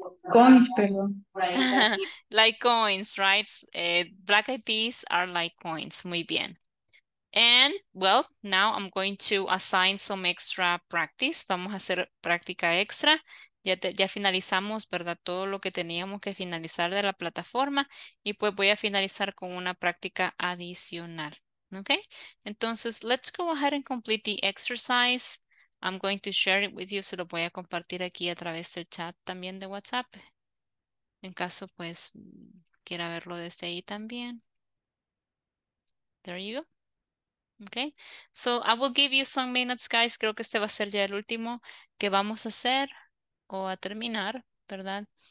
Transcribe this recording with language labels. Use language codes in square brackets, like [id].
[en] Coins, pero. Like coins, right? Black eyed peas are like coins. [es] Muy bien. [en] And, well, now I'm going to assign some extra practice. [es] Vamos a hacer práctica extra. Ya finalizamos, ¿verdad? Todo lo que teníamos que finalizar de la plataforma. Y pues voy a finalizar con una práctica adicional. [en] Okay? Entonces, let's go ahead and complete the exercise. I'm going to share it with you. [es] Se lo voy a compartir aquí a través del chat también de WhatsApp. En caso, pues, quiera verlo desde ahí también. [en] There you go. Okay, so I will give you some minutes, guys. [es] Creo que este va a ser ya el último que vamos a hacer o a terminar, ¿verdad?